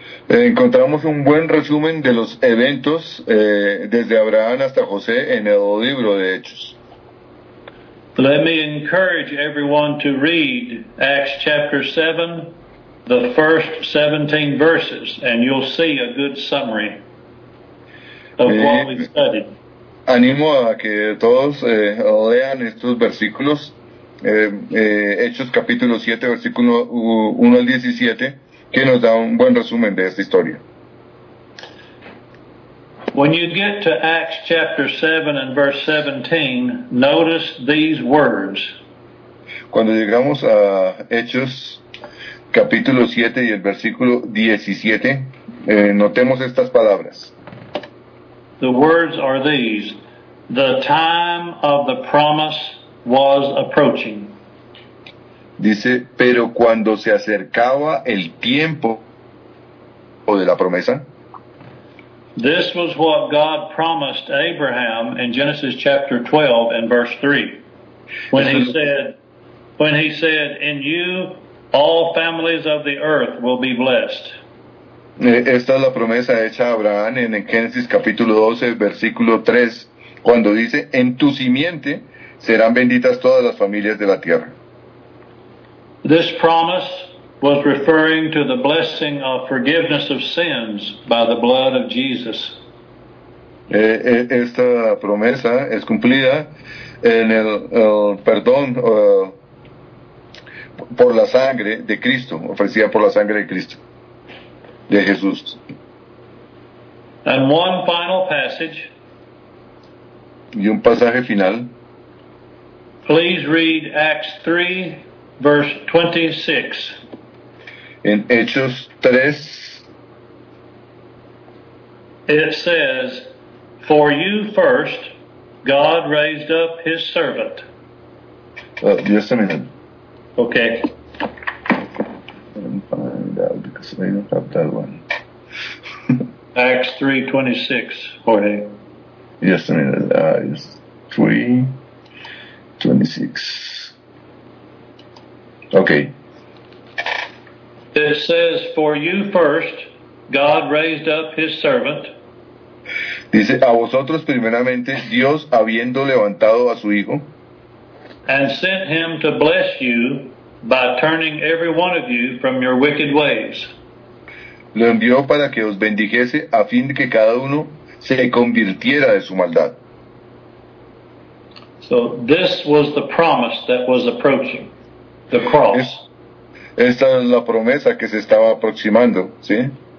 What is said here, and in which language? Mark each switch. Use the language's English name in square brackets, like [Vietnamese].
[Spanish] Encontramos un buen resumen de los eventos desde Abraham hasta José en el libro de Hechos. [English] Let me encourage everyone to read Acts chapter 7, the first 17 verses, and you'll see a good summary of what we studied. [Spanish] Animo a que todos lean estos versículos. Hechos capítulo 7, versículo 1 al 17, que nos da un buen resumen de esta historia. [English] When you get to Acts chapter 7 and verse 17, notice these words. [Spanish] Cuando llegamos a Hechos capítulo 7 y el versículo 17, notemos estas palabras. [English] The words are these: the time of the promise was approaching. [Spanish] Dice, pero cuando se acercaba el tiempo o de la promesa. [English] This was what God promised Abraham in Genesis chapter 12 and verse 3. When he said, in you all families of the earth will be blessed. [Spanish] Esta es la promesa hecha a Abraham en Génesis capítulo 12, versículo 3, cuando dice, en tu simiente serán benditas todas las familias de la tierra. [English] This promise was referring to the blessing of forgiveness of sins by the blood of Jesus. [Spanish] Esta promesa es cumplida en el perdón por la sangre de Cristo, ofrecida por la sangre de Cristo, de Jesús. [English] And one final passage. [Spanish] Y un pasaje final. [English] Please read Acts 3, verse 26. In Hechos 3, it says, for you first, God raised up his servant. Just a minute. Okay. Let me find out because I don't have that one. Acts 3, 26, Jorge. Just a minute. It's 3. 26. Okay. It says, for you first, God raised up his servant. [Spanish] Dice, a vosotros primeramente, Dios habiendo levantado a su hijo. [English] And sent him to bless you by turning every one of you from your wicked ways. [Spanish] Lo envió para que os bendijese a fin de que cada uno se convirtiera de su maldad. [English] So this was the promise that was approaching, the cross. [Spanish] Esta es la promesa que se estaba aproximando, ¿sí?